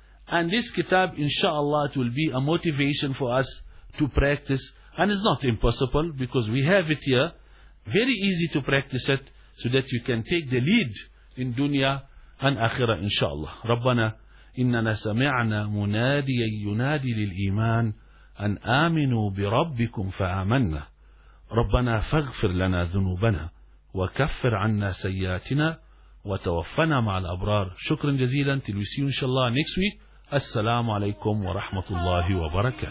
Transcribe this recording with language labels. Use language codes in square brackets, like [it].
[en] And this kitab, inshallah, it will be a motivation for us to practice. And it's not impossible, because we have it here. Very easy to practice it, so that you can take the lead in dunya and akhirah, inshallah. [ar] Rabbana, inna sami'na munadiya yunadi lil iman. أن آمنوا بربكم فآمنا ربنا فاغفر لنا ذنوبنا وكفر عنا سيئاتنا وتوفنا مع الأبرار. شكرا جزيلا. [en] Till we see you inshallah next week. [ar] السلام عليكم ورحمة الله وبركاته.